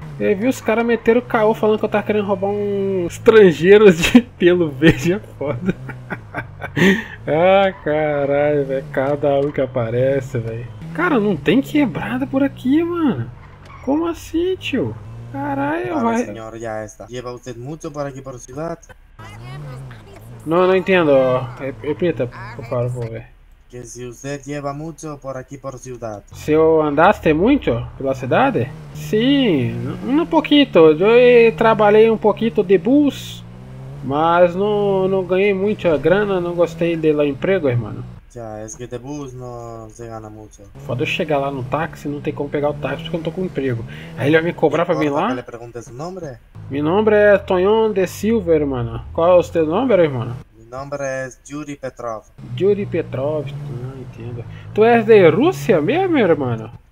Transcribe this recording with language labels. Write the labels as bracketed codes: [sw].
[pt] Eu vi os caras meteram o caô falando que eu tava querendo roubar um estrangeiro de pelo verde, é foda. Ah, caralho, velho. Cada um que aparece, velho. Cara, não tem quebrada por aqui, mano. Como assim, tio? Caralho, vale, vai. Senhor, já está. [es] Lleva usted mucho por aqui [pt] por a cidade? Não entendo. Repita, por favor, vou ver. [es] Que se usted lleva mucho por aqui [pt] por a cidade? Se eu andaste muito pela cidade? Sim, um pouquinho. Eu trabalhei um pouquinho de bus, mas não ganhei muita grana, não gostei do emprego, irmão. [es] Já, es que de bus no se gana mucho. [pt] Foda, eu chegar lá no táxi, não tem como pegar o táxi porque eu não tô com emprego. Aí ele vai me cobrar pra vir lá. Ele pergunta seu nome? Meu nome é Tonhon de Silva, irmão. Qual é o seu nome, irmão? Meu nome é Yuri Petrov. Yuri Petrov, não entendo. Tu és de Rússia mesmo, irmão?